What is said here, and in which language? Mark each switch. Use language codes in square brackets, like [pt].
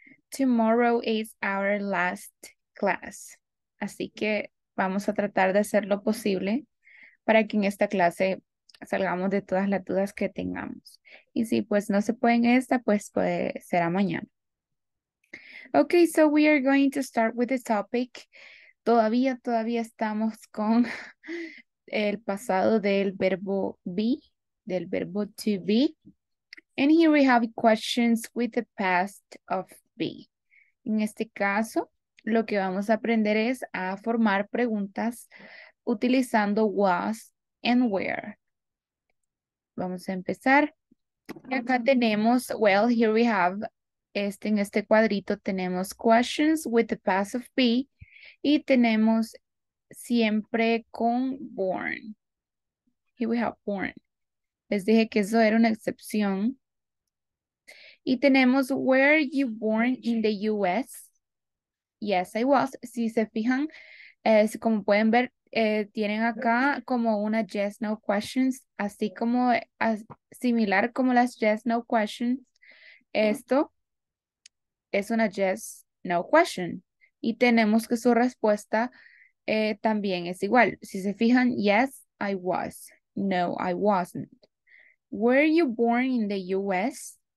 [en] Tomorrow is our last class. [es] Así que vamos a tratar de hacer lo posible para que en esta clase salgamos de todas las dudas que tengamos. Y si pues no se puede en esta, pues puede, será mañana. [en] Okay, so we are going to start with the topic. [es] Todavía estamos con el pasado del verbo be, del verbo to be. [en] And here we have questions with the past of be. [es] En este caso, lo que vamos a aprender es a formar preguntas utilizando was and where. Vamos a empezar. Y acá tenemos, [en] well, here we have, [es] en este cuadrito tenemos [en] questions with the past of be [es] y tenemos siempre con born. [en] Here we have born. [es] Les dije que eso era una excepción. Y tenemos, [en] where are you born in the U.S.? Yes, I was. [es] Si se fijan, como pueden ver, tienen acá como una yes, no questions. Así como, similar como las yes, no questions. Esto es una yes, no question. Y tenemos que su respuesta también es igual. Si se fijan, [en] yes, I was. No, I wasn't. Where are you born in the U.S.?